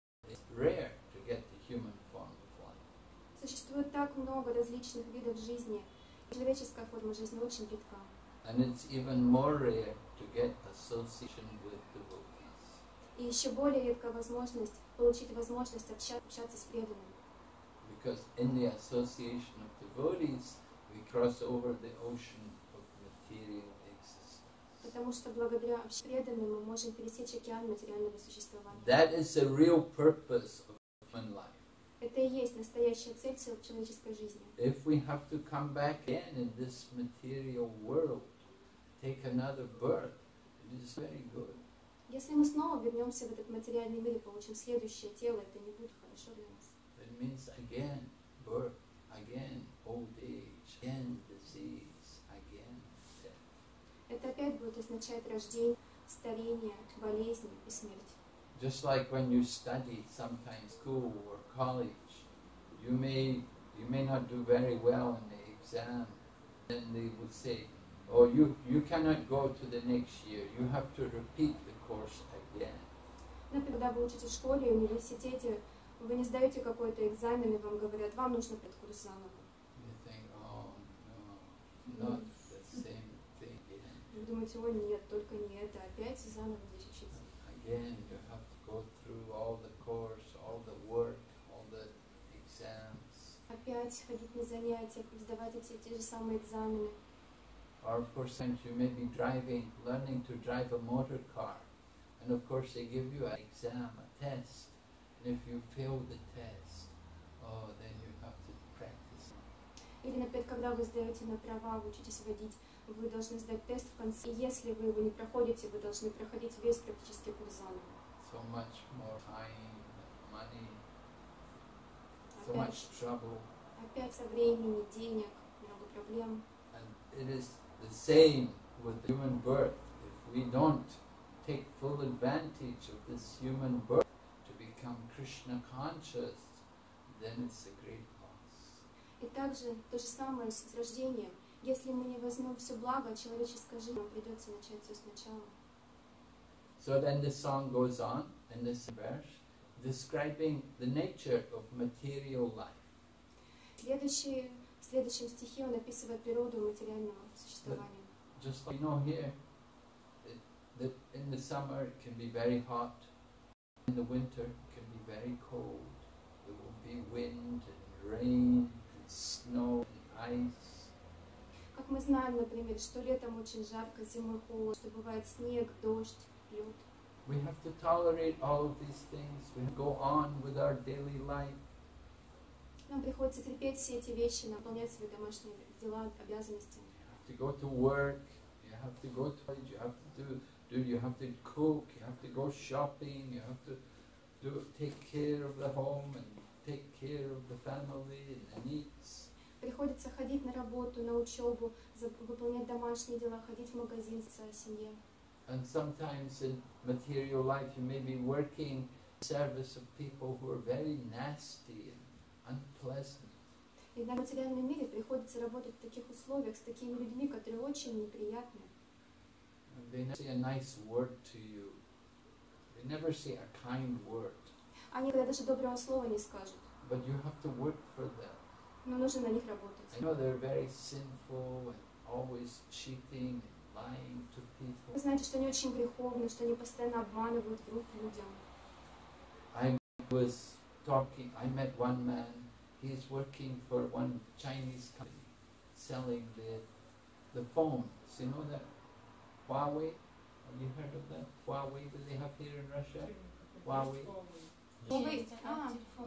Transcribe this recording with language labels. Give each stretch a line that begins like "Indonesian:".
English: It's rare to get the human form of life.
Russian: Существует так много различных видов жизни, человеческая форма жизни очень редка.
English: And it's even more rare to get association with devotees.
Russian: И еще более редка возможность получить возможность общаться с преданными.
English: Because in the association of devotees, we cross over the ocean of material existence.
Russian: Потому что благодаря преданным мы можем пересечь океан материального существования.
English: That is the real purpose of human life.
Russian: Это и есть настоящая цель человеческой жизни.
English: If we have to come back again in this material world, take another birth, it is very good.
Russian: Если мы снова вернемся в этот материальный мир и получим следующее тело, это не будет хорошо для нас.
English: It means again, birth, again, old age, again, disease, again, death.
Russian: Это опять будет означать рождение, старение, болезнь и смерть.
English: Just like when you study sometimes school or college, you may not do very well in the exam, then they would say, oh, you cannot go to the next year. You have to repeat the course again.
Russian: Например, когда вы учитесь в школе, в университете, вы не сдаете какой-то экзамен, и вам говорят, вам нужно пройти курс заново.
English: You think, oh, no, not the same thing again.
Russian: Вы думаете, ой, нет, только не это, опять заново здесь учиться.
English: Again, you have to go through all the course, all the work, all the exams.
Russian: Опять ходить на занятия, сдавать эти те же самые экзамены.
English: Or of course, sometimes you may be driving, learning to drive a motor car, and of course they give you an exam, a test, and if you fail the test, oh, then you have to practice.
Russian: Или, например, когда вы сдаете на права, вы учитесь водить, вы должны сдать тест в конце. И если вы его не проходите, вы должны проходить весь практический курс заново.
English: So much more time, money, so much trouble.
Russian: Опять со времени, денег, много проблем.
English: It is the same with human birth. If we don't take full advantage of this human birth to become Krishna conscious, then it's a great loss.
Russian: И также то же самое с рождением. Если мы не возьмем все благо человеческой жизни, придется начать все сначала.
English: So then the song goes on in this verse, describing the nature of material life.
Russian: В следующем стихе он описывает природу материального существования.
English: Just like you know here, that in the summer it can be very hot, in the winter it can be very cold, there will be wind and rain and snow and ice.
Russian: Как мы знаем, например, что летом очень жарко, зимой холодно, что бывает снег, дождь, лед.
English: We have to tolerate all of these things. We have to go on with our daily life.
Russian: Нам приходится терпеть все эти вещи, наполнять свои домашние дела, обязанности.
English: You have to go to work. You have to go to college. You have to you have to cook. You have to go shopping. You have to take care of the home and take care of the family and the needs.
Russian: Приходится ходить на работу, на учебу, выполнять домашние дела, ходить в магазин со семьей.
English: And sometimes in material life you may be working in service of people who are very nasty and unpleasant.
Russian: И на материальном мире приходится работать в таких условиях с такими людьми, которые очень неприятны.
English: They never say a nice word to you. They never say a kind word.
Russian: Они никогда даже доброго слова не скажут.
English: But you have to work for them.
Russian: Но нужно на них работать.
English: I know they're very sinful and always cheating and lying to people.
Russian: Вы знаете, что они очень греховны, что они постоянно обманывают друг людям.
English: I met one man. He's working for one Chinese company selling the phones. You know that Huawei? Have you heard of that? Huawei that they have here in Russia? Huawei. Huawei.